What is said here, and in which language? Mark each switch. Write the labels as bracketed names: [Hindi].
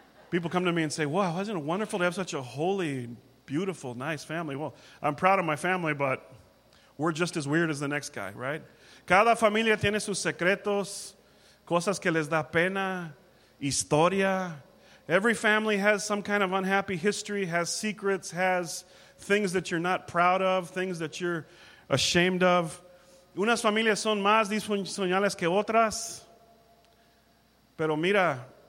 [English] People come to me and say, wow, isn't it wonderful to have such a holy, beautiful, nice family? Well, I'm proud of my family, but we're just as weird as the next guy, right? [Spanish] Cada familia tiene sus secretos, cosas que les da pena, historia. [English] Every family has some kind of unhappy history, has secrets, has things that you're not proud of, things that you're ashamed of. [Spanish] Unas familias son más disfuncionales que otras. Pero mira,